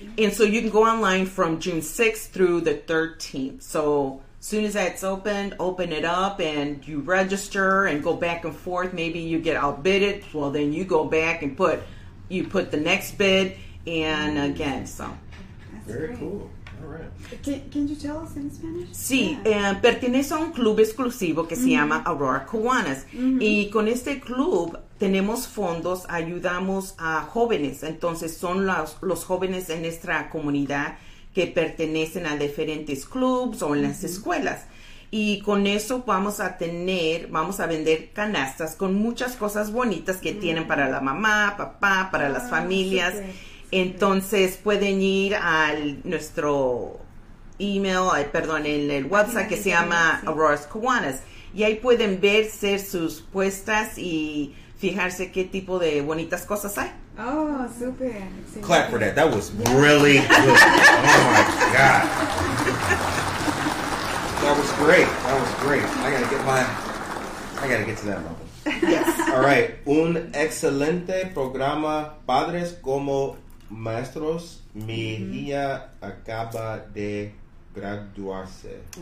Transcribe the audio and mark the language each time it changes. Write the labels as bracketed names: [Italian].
[English] And so you can go online from June 6th through the 13th. So as soon as that's open, open it up and you register and go back and forth. Maybe you get outbidded. Well, then you go back and put the next bid, and again, so. That's very great. Cool. Can you tell us in Spanish? [Spanish] Sí, yeah. Pertenece a un club exclusivo que se llama Aurora Kiwanis. Y con este club tenemos fondos, ayudamos a jóvenes. Entonces son los jóvenes en nuestra comunidad que pertenecen a diferentes clubs o en las escuelas. Y con eso vamos a vender canastas con muchas cosas bonitas que tienen para la mamá, papá, para las familias. Super. Entonces pueden ir al nuestro email, perdón, en el website que se llama Aurora's Kiwanis. Y ahí pueden ver ser sus puestas y fijarse qué tipo de bonitas cosas hay. Oh, super. [English] Sí. Clap for that. That was really good. Oh my God. That was great. That was great. I got to get my, I got to get to that moment. Yes. All right. [Spanish] Un excelente programa, padres como maestros, mi hija acaba de graduarse.